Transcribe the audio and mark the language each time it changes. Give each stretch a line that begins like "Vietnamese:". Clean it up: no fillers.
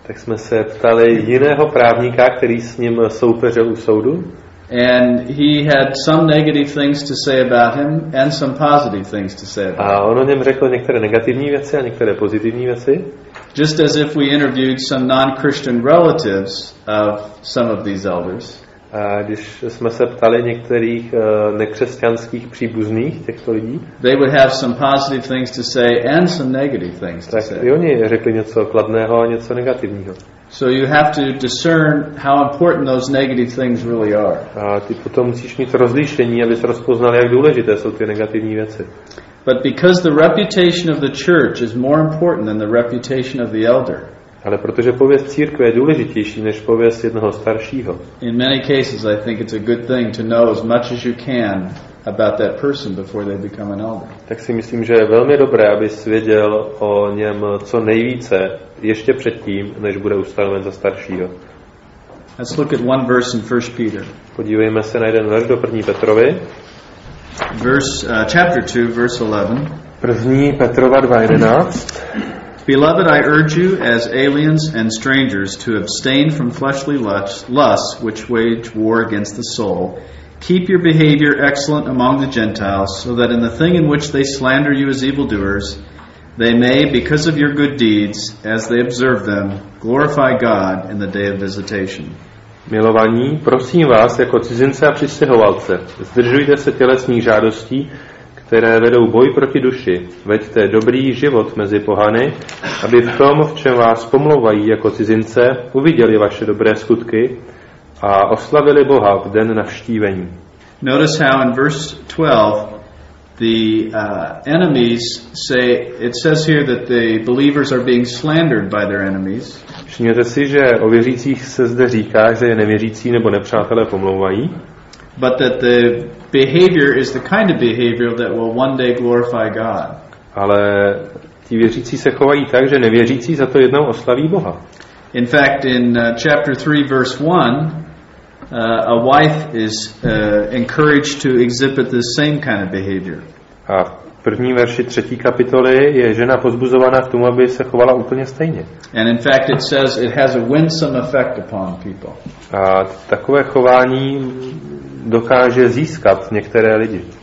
Czech: Tak jsme se ptali jiného právníka, který s ním soupeřil u soudu.
English: And he had some negative things to say about him and some positive things to say about him.
Czech: A on o něm řekl některé negativní věci a některé pozitivní věci.
English: Just as if we interviewed some non-Christian relatives of some of these elders.
Czech: A když jsme se ptali některých nekřesťanských příbuzných těchto lidí,
English: they would have some positive things to say and some negative things to say.
Czech: I oni řekli něco kladného a něco negativního.
English: So you have to discern how important those negative things really are.
Czech: A ty potom musíš mít rozlišení, abys rozpoznal, jak důležité jsou ty negativní věci.
English: But because the reputation of the church is more important than the reputation of the elder.
Czech: Ale protože pověst církve je důležitější než pověst jednoho staršího.
English: In many cases I think it's a good thing to know as much as you can about that person before they become an elder.
Czech: Tak si myslím, že je velmi dobré, abys věděl o něm co nejvíce ještě předtím, než bude ustanoven za staršího.
English: Let's look at one verse in 1 Peter.
Czech: Podívejme se na jeden verš do 1. Petrovi.
English: Chapter 2 verse 11.
Czech: 1. Petrova 2:11.
English: Beloved, I urge you as aliens and strangers to abstain from fleshly lusts which wage war against the soul. Keep your behavior excellent among the Gentiles, so that in the thing in which they slander you as evildoers, they may, because of your good deeds, as they observe them, glorify God in the day of visitation.
Czech: Milovaní, prosím vás, jako cizince a přistěhovalce, zdržujte se tělesných žádostí, které vedou boj proti duši. Veďte dobrý život mezi pohany, aby v tom, v čem vás pomlouvají jako cizince, uviděli vaše dobré skutky a oslavili Boha v den navštívení.
English: Notice how in verse 12 the enemies say, it says here that the believers are being slandered by their enemies.
Czech: Všimněte si, že o věřících se zde říká, že nevěřící nebo nepřátelé pomlouvají.
English: But that the behavior is the kind of behavior that will one day glorify God.
Czech: Ale ti věřící se chovají tak, že nevěřící za to jednou oslaví Boha.
English: In fact, in chapter 3, verse 1, a wife is encouraged to exhibit the same kind of behavior.
Czech: A v první verši třetí kapitoly je žena pozbuzována k tomu, aby se chovala úplně stejně.
English: And in fact, it says it has a winsome effect upon people.
Czech: A takové chování dokáže získat některé lidi.